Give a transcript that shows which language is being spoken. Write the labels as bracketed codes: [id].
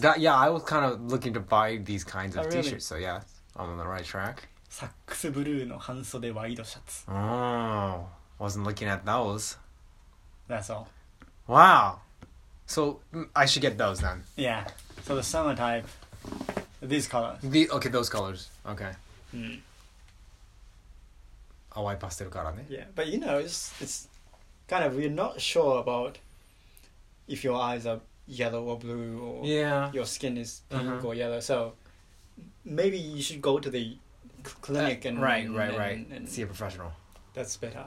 [en] That, yeah, I was kind of looking to buy these kinds of T-shirts,、oh, really? So yeah, I'm on the right track. [ja] サックスブルーの半袖ワイドシャツ。 [en] Oh, wasn't looking at those. That's all. Wow. So I should get those then. Yeah. So the summer type, these colors. The okay, those colors. Okay. Hmm. [ja] 淡いパステルカラーね。 [en] Yeah, but you know, it's kind of we're not sure about if your eyes are yellow or blue or yeah. your skin is pink、uh-huh. or yellow. So maybe you should go to the clinic and right, and see a professional. That's better.